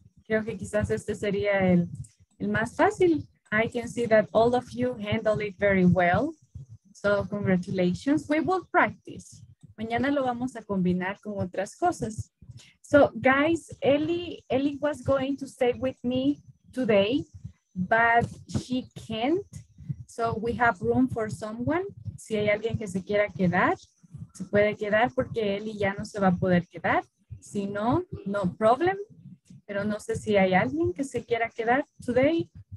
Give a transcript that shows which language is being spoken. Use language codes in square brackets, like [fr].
[es] Creo que quizás este sería el más fácil. [en] I can see that all of you handle it very well. So, congratulations. We will practice. [es] Mañana lo vamos a combinar con otras cosas. [en] So, guys, Ellie was going to stay with me today, but she can't. So, we have room for someone. [es] Si hay alguien que se quiera quedar, se puede quedar porque Ellie ya no se va a poder quedar. Si no, [en] no problem. [es] Pero no sé si hay alguien que se quiera quedar today.